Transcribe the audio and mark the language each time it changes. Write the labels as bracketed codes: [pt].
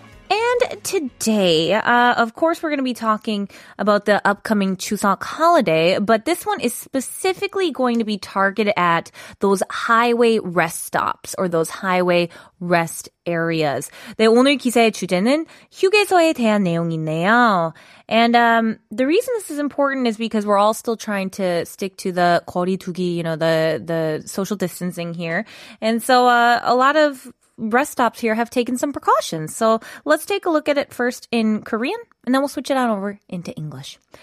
[en] And today, of course, we're going to be talking about the upcoming Chuseok holiday, but this one is specifically going to be targeted at those highway rest stops or those highway rest areas. [ko] 네, 오늘 기사의 주제는 휴게소에 대한 내용인데요. [en] And the reason this is important is because we're all still trying to stick to the 거리 두기, you know, the social distancing here. And so a lot of rest stops here have taken some precautions. So let's take a look at it first in Korean, and then we'll switch it on over into English.